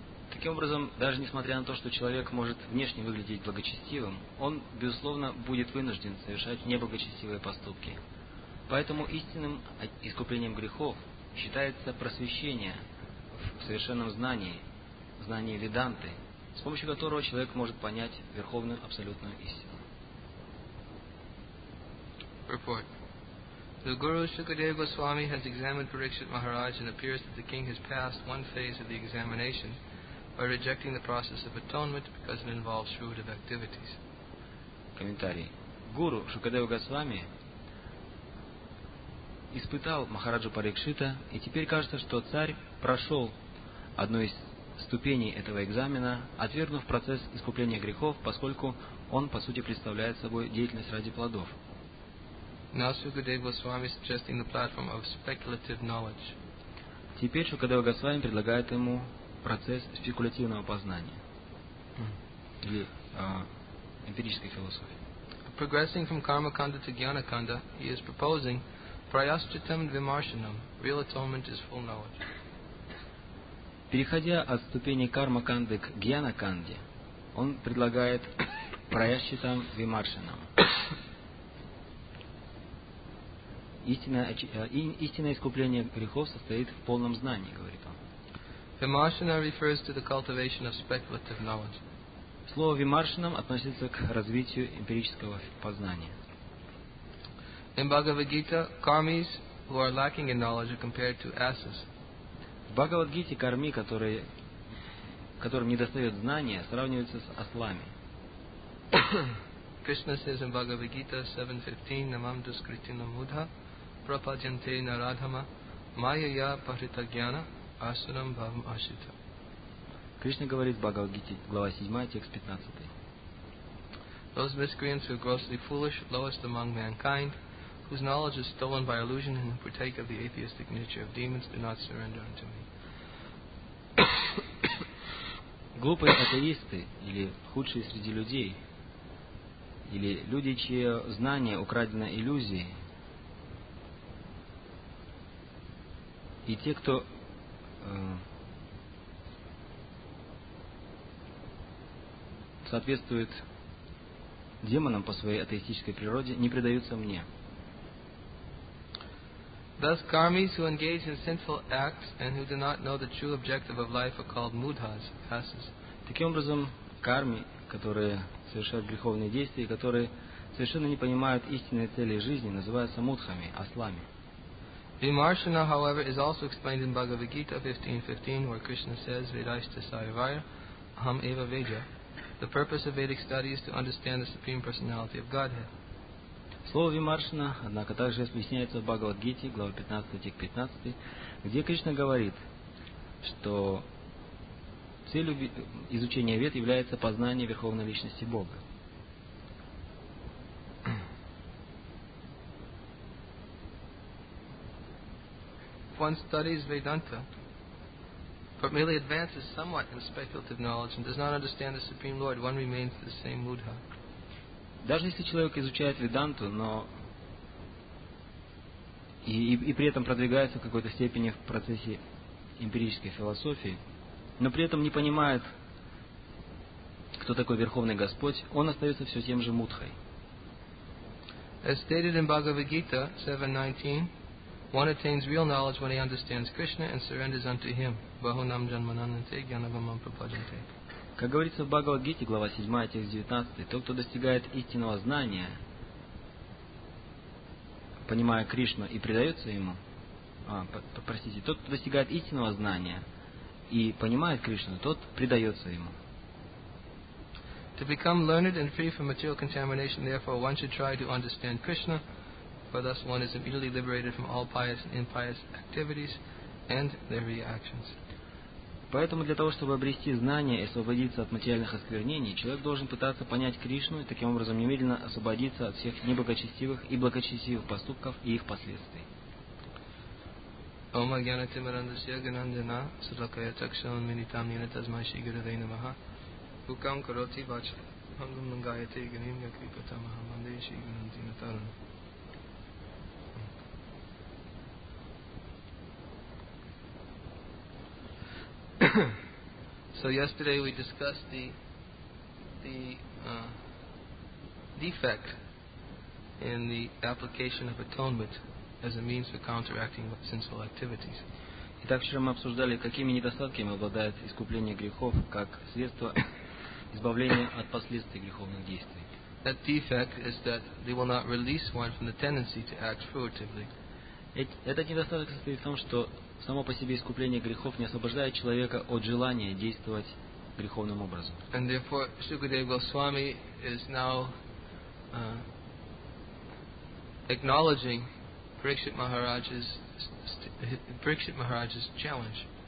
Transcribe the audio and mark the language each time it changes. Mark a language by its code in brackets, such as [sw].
[ru] Таким образом, даже несмотря на то, что человек может внешне выглядеть благочестивым, он, безусловно, будет вынужден совершать неблагочестивые поступки. Поэтому истинным искуплением грехов считается просвещение в совершенном знании, знании Веданты, с помощью которого человек может понять верховную абсолютную истину. [en] Report. The Guru Shukadeva Goswami has examined Parikshit Maharaj and appears that the king has passed one phase of the examination by rejecting the process of atonement because it involves fruitive activities. [ru] Комментарий. Гуру Шукадева Госвами испытал Махараджу Парикшита, и теперь кажется, что царь прошел одну из ступеней этого экзамена, отвергнув процесс искупления грехов, поскольку он, по сути, представляет собой деятельность ради плодов. [en] Now Shukadeva Goswami is suggesting the platform of speculative knowledge. [ru] Теперь Шукадева Госвами предлагает ему процесс спекулятивного познания или эмпирической философии. [en] Progressing from karma kanda to jnana kanda, he is proposing prayaschitam vimarshanam. Real atonement is full knowledge. [ru] Переходя от ступени карма канды к jnana канде, он предлагает prayaschitam vimarshanam. Истинное искупление грехов состоит в полном знании, говорит он. [en] Vimarshana refers to the cultivation of speculative knowledge. [ru] Слово vimarshanam относится к развитию эмпирического познания. [en] In Bhagavad Gita, karmis who are lacking in knowledge are compared to asses. [ru] В Бхагавад-гите карми, которые которым недостает знания, сравнивается с ослами. [en] Krishna says in Bhagavad Gita 7.15 [sa] Namam Duskritina Mudha Prapadyante Naradhama Mayaya Parita Gyana Asuram Bhavam Ashita. [ru] Кришна говорит в Бхагавад Гите, глава 7, текст 15. [en] Those miscreants who are grossly foolish, lowest among mankind, whose knowledge is stolen by illusion and who partake of the atheistic nature of demons, do not surrender unto me. [ru] Глупые атеисты, или худшие среди людей, или люди, чье знание украдено иллюзией, и те, кто... соответствует демонам по своей атеистической природе, не предаются мне. [en] Thus, karmis who engage in sinful acts and who do not know the true objective of life are called mudhas, asas. [ru] Таким образом, карми, которые совершают греховные действия, которые совершенно не понимают истинной цели жизни, называются мудхами, ослами. [en] Vimarsana, however, is also explained in Bhagavad Gita 15.15, where Krishna says, [sa] Vedaishta Sayavaya, Aham Eva Veja. [en] The purpose of Vedic study is to understand the Supreme Personality of Godhead. [ru] Слово Вимаршина, однако, также объясняется в Бхагавад-гите, глава 15, текст 15, где Кришна говорит, что целью изучения Вед является познание Верховной Личности Бога. [en] One studies Vedanta, but merely advances somewhat in speculative knowledge and does not understand the Supreme Lord, one remains the same mudha. [ru] Даже если человек изучает Веданту, но и при этом продвигается в какой-то степени в процессе эмпирической философии, но при этом не понимает, кто такой Верховный Господь, он остается все тем же мудхой. [en] As stated in Bhagavad Gita 7.19, one attains real knowledge when he understands Krishna and surrenders unto him. [sa] Bahunam janmanante gyanavamam prapajante. [ru] Как говорится в Бхагавад-гите, глава 7, текст 19, тот, кто достигает истинного знания, понимая Кришну и предается ему, тот, кто достигает истинного знания и понимает Кришну, тот предается ему. [en] To become learned and free from material contamination, therefore, one should try to understand Krishna, for thus one is immediately liberated from all pious and impious activities and their reactions. [ru] Поэтому для того, чтобы обрести знания и освободиться от материальных осквернений, человек должен пытаться понять Кришну и таким образом немедленно освободиться от всех неблагочестивых и благочестивых поступков и их последствий. [sa] Ома гьянати мирандасья гьянандина судакая чакшан минитам нина тазмай ши гиравей намаха хукам кароти бач хангум нангайате гьяним я крипата маха мандей ши гьянандина тарана. [en] So yesterday we discussed the defect in the application of atonement as a means for counteracting sinful activities. [ru] Итак, вчера мы обсуждали, какими недостатками обладает искупление грехов как средство избавления от последствий греховных действий. [en] That defect is that they will not release one from the tendency to act fruitively. [ru] Этот недостаток состоит в том, что само по себе искупление грехов не освобождает человека от желания действовать греховным образом. [en] And therefore, Sukadeva Goswami is now acknowledging Parikshit Maharaj's challenge.